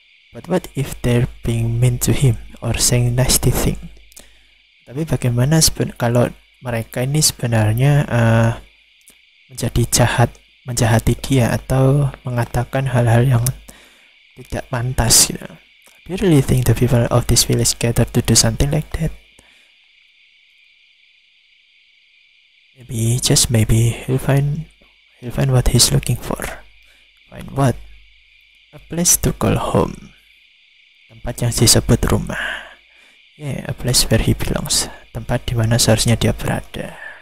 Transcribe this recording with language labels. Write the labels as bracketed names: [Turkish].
[English] But what if they're being mean to him or saying nasty thing? [Indonesian] Tapi bagaimana kalau mereka ini sebenarnya menjadi jahat, menjahati dia atau mengatakan hal-hal yang tidak pantas, [English] you know? Do you really think the people of this village gather to do something like that? Maybe, just maybe, he'll find what he's looking for. Find what? A place to call home. [Indonesian] Tempat yang disebut rumah. [English] Yeah, a place where he belongs. [Indonesian] Tempat di mana seharusnya dia berada.